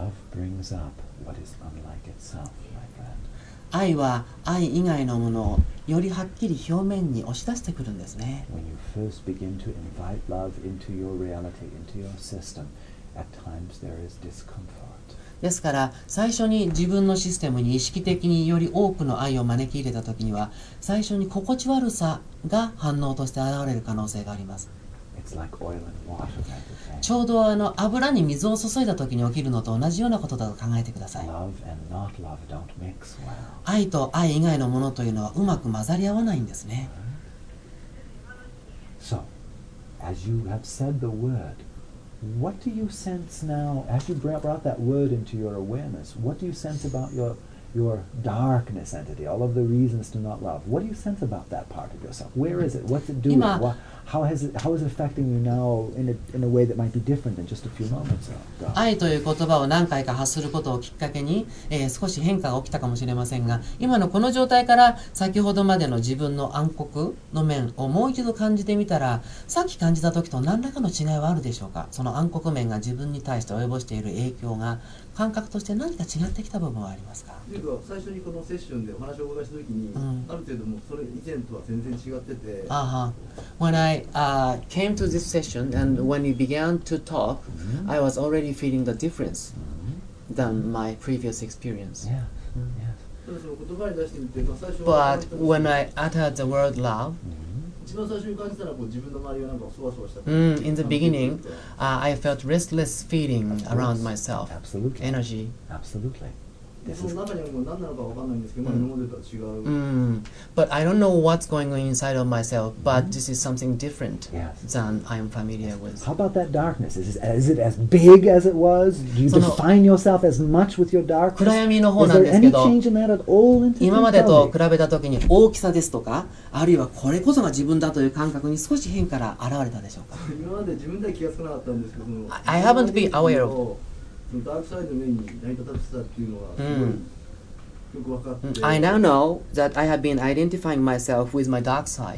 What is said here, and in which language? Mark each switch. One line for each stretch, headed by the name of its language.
English: brings up what is unlike itself, my friend.
Japanese: 愛は愛以外のものをよりはっきり表面に押し出してくるんですね。
English: When you first begin to invite love into your reality, into your system, at times there is discomfort.
Japanese: ですから、最初に自分のシステムに意識的により多くの愛を招き入れたときには、最初に心地悪さが反応として現れる可能性があります。
English: It's like oil and water, right?
Japanese: ちょうどあの油に水を注いだときに起きるのと同じようなことだと考えてください。
English: Love and not love don't mix well.
Japanese: 愛と愛以外のものというのはうまく混ざり合わないんですね。
English: So, as you have said the word, what do you sense now, as you brought that word into your awareness, what do you sense about your darkness entity, all of the reasons to not love? What do you sense about that part of yourself? Where is it? What's it doing? How is it affecting you now in a way that might be different than just a few moments ago?
Japanese: 愛という言葉を何回か発することをきっかけに、少し変化が起きたかもしれませんが、今のこの状態から先ほどまでの自分の暗黒の面をもう一度感じてみたら、さっき感じた時と何らかの違いはあるでしょうか？その暗黒面が自分に対して及ぼしている影響が感覚として何か違ってきた部分はありますか？というか、最初にこのセッションでお話をお伺いした時に、ある程度もそれ以前とは全然違ってて、
English: When I came to this session and when you began to talk, I was already feeling the difference than my previous experience. But when I uttered the word love, in the beginning, I felt restless feeling around myself. Absolutely. Energy. Absolutely. But I don't know what's going on inside of myself, but this is something different than I'm familiar with. How about that darkness? Is it as big as it was? Do you define yourself as much with your darkness?
Japanese: 暗闇の方なんですけど、今までと比べた時に大きさですとか、あるいはこれこそが自分だという感覚に少し変化が現れたでしょうか？今まで自分では気がつかなかったんですけど、
English: I haven't been aware of. I now know that I have been identifying myself with my dark side.